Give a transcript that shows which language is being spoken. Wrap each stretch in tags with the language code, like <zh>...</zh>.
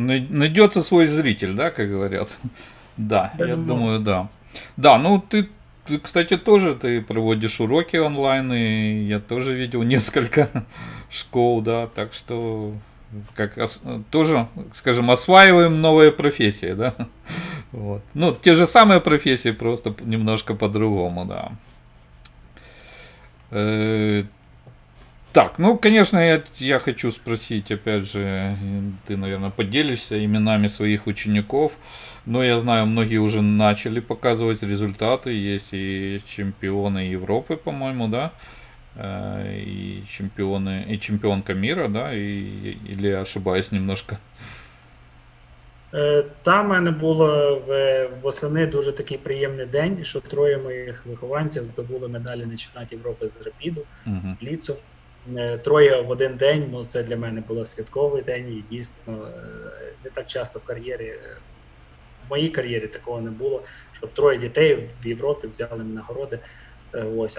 <uk>Найдеться свій зритель, да, як говорять. Да, я думаю, да. Да, ну ти, кстати, теж ти проводиш уроки онлайн, і я теж бачив кілька шкіл, да, так що</uk> <ru>как тоже, скажем, осваиваем новые профессии,</ru> <uk>да?</uk> <ru>Вот. Ну, те же самые профессии, просто немножко по-другому, да. Так, ну, конечно, я хочу спросить, опять же, ты, наверное, поделишься именами своих учеников, но я знаю, многие уже начали показывать результаты, есть и чемпионы Европы, по-моему, да, и чемпионы, и чемпионка мира, да, или ошибаюсь немножко.</ru> <uk>Та в мене було восени дуже такий приємний день, що троє моїх вихованців здобули медалі на чемпіонаті Європи з рапіду, з бліцу. Троє в один день, ну це для мене було святковий день, і дійсно не так часто в кар'єрі, в моїй кар'єрі такого не було, що троє дітей в Європі взяли нагороди. Ось.</uk>